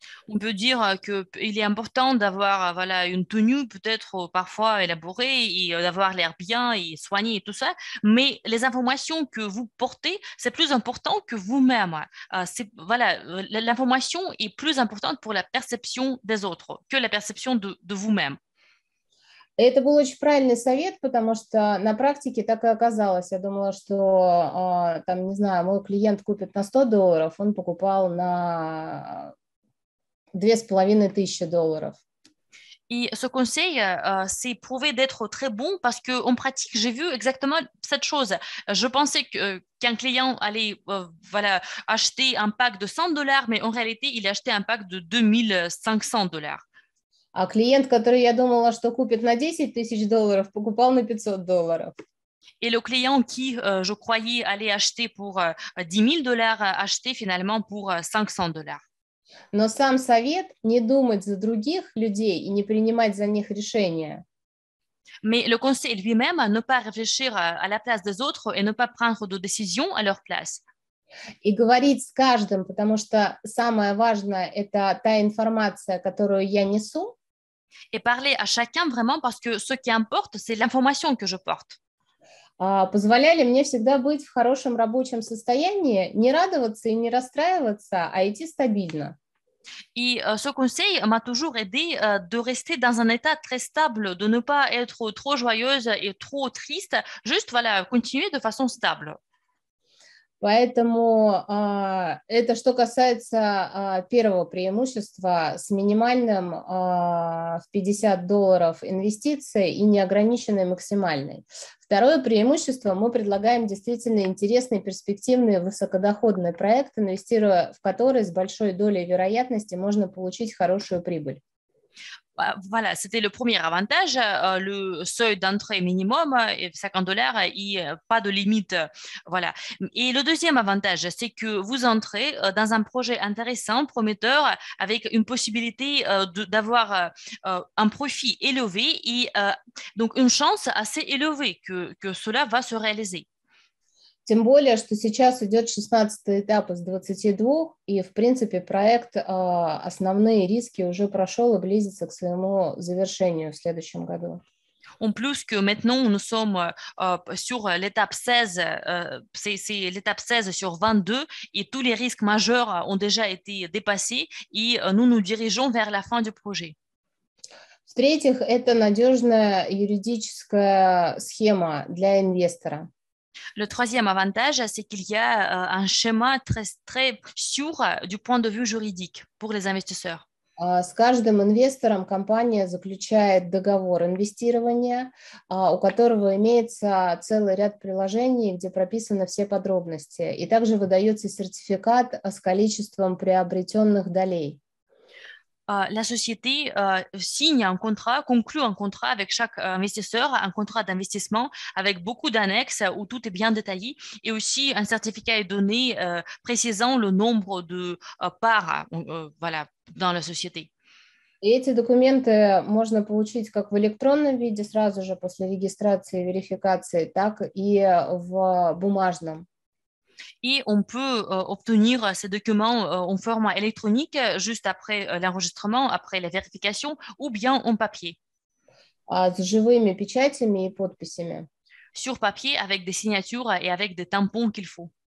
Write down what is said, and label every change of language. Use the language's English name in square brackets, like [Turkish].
[French] On peut dire qu'il est important d'avoir voilà, une tenue peut-être parfois élaborée et d'avoir l'air bien et soigné et tout ça, mais les informations que vous portez, c'est plus important que vous-même. C'est, voilà, l'information est plus importante pour la perception des autres que la perception de vous-même. [Russian] Это был очень правильный совет, потому что на практике так и оказалось. Я думала, что, там, не знаю, мой клиент купит на $100, он покупал на... $2,500. [French] Et ce conseil s'est prouvé d'être très bon parce qu'en pratique, j'ai vu exactement cette chose. Je pensais que, qu'un client allait voilà, acheter un pack de $100, mais en réalité, il a acheté un pack de $2,500. [Russian] А клиент, который я думала, что купит на $10,000, покупал на $500. [French] Et le client qui, je croyais, allait acheter pour $10,000, a acheté finalement pour $500. [Russian] Но сам совет не думать за других людей и не принимать за них решения. [French] Mais le conseil lui-même ne pas réfléchir à la place des autres et ne pas prendre de décision à leur place. [Russian] И говорить с каждым, потому что самое важное – это та информация, которую я несу. [French] Et parler à chacun vraiment parce que ce qui importe, c'est l'information que je porte. [Russian] Позволяли мне всегда быть в хорошем рабочем состоянии, не радоваться и не расстраиваться, а идти стабильно. [French] И ce conseil m'a toujours aidé de rester dans un état très stable, de ne pas être trop joyeuse et trop triste, juste voilà, continuer de façon stable. [Russian] Поэтому это что касается первого преимущества с минимальным в $50 инвестиции и неограниченной максимальной. Второе преимущество – мы предлагаем действительно интересные, перспективные, высокодоходные проекты, инвестируя в которые с большой долей вероятности можно получить хорошую прибыль. [French] Voilà, c'était le premier avantage, le seuil d'entrée minimum, $50 et pas de limite. Voilà. Et le deuxième avantage, c'est que vous entrez dans un projet intéressant, prometteur, avec une possibilité d'avoir un profit élevé et donc une chance assez élevée que cela va se réaliser. [Russian] Тем более, что сейчас идет 16-й этап из 22, и, в принципе, проект основные риски уже прошел и близится к своему завершению в следующем году. [French] En plus que maintenant nous sommes sur l'étape 16, c'est l'étape 16 sur 22, et tous les risques majeurs ont déjà été dépassés, и nous nous dirigeons vers la fin du projet. [Russian] В-третьих, это надежная юридическая схема для инвестора. [French] Le troisième avantage, c'est qu'il y a un schéma très, très sûr du point de vue juridique pour les investisseurs. [Russian] С каждым инвестором компания заключает договор инвестирования, у которого имеется целый ряд приложений, где прописаны все подробности. И также выдается сертификат с количеством приобретенных долей. [French] La société signe un contrat, conclut un contrat avec chaque investisseur, un contrat d'investissement avec beaucoup d'annexes où tout est bien détaillé et aussi un certificat est donné précisant le nombre de parts voilà, dans la société. Et ces documents [Russian] можно получить как в электронном виде сразу же после регистрации и верификации, так и в бумажном. [French] Et on peut obtenir ces documents en format électronique juste après l'enregistrement, après la vérification, ou bien en papier. [Russian] С живыми печатями и подписями. [French] Sur papier, avec des signatures et avec des tampons qu'il faut.